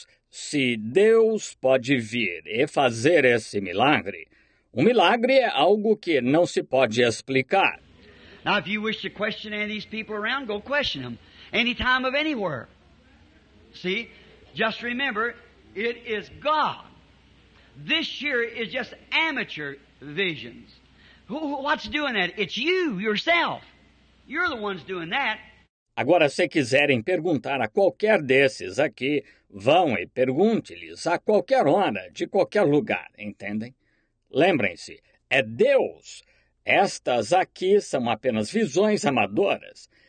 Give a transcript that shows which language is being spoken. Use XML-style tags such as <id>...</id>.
<pt>Se Deus pode vir e fazer esse milagre, um milagre é algo que não se pode explicar.</pt> <en>Now, if you wish to question any of these people around, go question them. Any time of anywhere. See? Just remember, it is God. This year is just amateur visions. What's doing that? It's you, yourself. You're the ones doing that.</en> <pt>Agora, se quiserem perguntar a qualquer desses aqui, vão e pergunte-lhes a qualquer hora, de qualquer lugar, entendem? Lembrem-se, é Deus. Estas aqui são apenas visões amadoras.</pt>